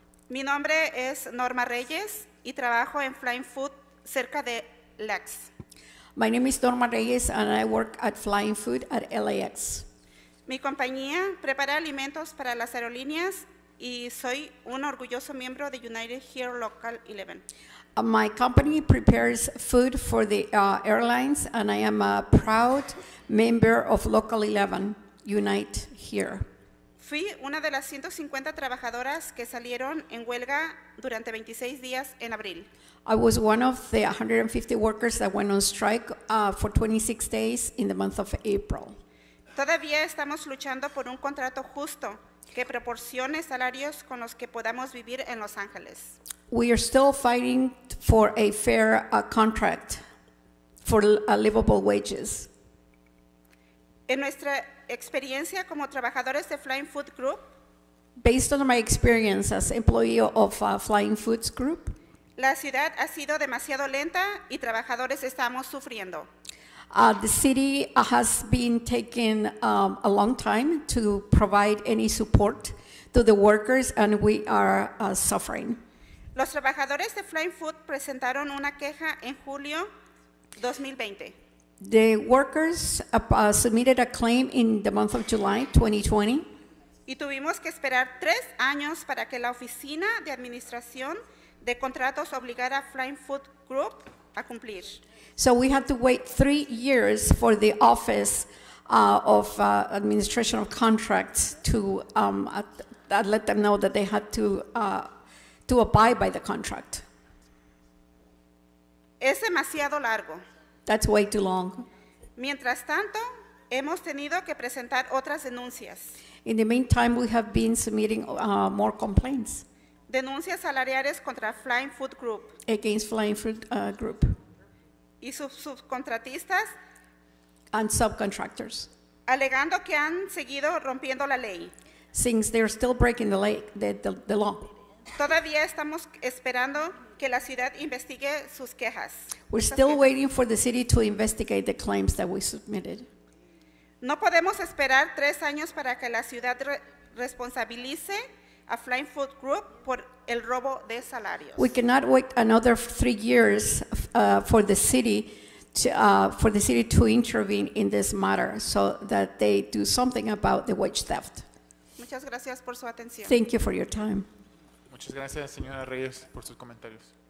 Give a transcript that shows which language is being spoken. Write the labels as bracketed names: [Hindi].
[Spanish] Mi nombre es Norma Reyes y trabajo en Flying Food cerca de LAX. [English] My name is Norma Reyes and I work at Flying Food at LAX. [Spanish] Mi compañía prepara alimentos para las aerolíneas y soy un orgulloso miembro de United Here Local 11. [English] My company prepares food for the airlines and I am a proud member of Local 11, Unite Here. [Spanish] Fui una de las 150 trabajadoras que salieron en huelga durante 26 días en abril. [English] I was one of the 150 workers that went on strike for 26 days in the month of April. [Spanish] Todavía estamos luchando por un contrato justo que proporcione salarios con los que podamos vivir en Los Ángeles. [English] We are still fighting for a fair contract for livable wages. [Spanish] En nuestra experiencia como trabajadores de Flying Food Group, [English] based on my experience as employee of Flying Foods Group, [Spanish] la ciudad ha sido demasiado lenta y trabajadores estamos sufriendo. [English] The city has been taking a long time to provide any support to the workers and we are suffering. [Spanish] Los trabajadores de Flying Food presentaron una queja en julio 2020. [English] The workers submitted a claim in the month of July 2020. [Spanish] Y tuvimos que esperar 3 años para que la Oficina de Administración de Contratos obligara a Flying Food Group a cumplir. [English] So we had to wait 3 years for the Office of Administration of Contracts to let them know that they had to abide by the contract. [Spanish] Es demasiado largo. [English] That's way too long. [Spanish] Mientras tanto, hemos tenido que presentar otras denuncias. [English] In the meantime, we have been submitting more complaints. [Spanish] Denuncias salariales contra Flying Food Group. [English] Against Flying Food Group. [Spanish] Y sus subcontratistas. [English] And subcontractors. [Spanish] Alegando que han seguido rompiendo la ley. [English] Since they are still breaking the law. [Spanish] Todavía estamos esperando que la ciudad investigue sus quejas. [English] We're still waiting for the city to investigate the claims that we submitted. [Spanish] No podemos esperar 3 años para que la ciudad responsabilice a Flying Food Group por el robo de salarios. [English] We cannot wait another 3 years for the city to intervene in this matter so that they do something about the wage theft. [Spanish] Muchas gracias por su atención. [English] Thank you for your time. [Spanish] Muchas gracias, señora Reyes, por sus comentarios.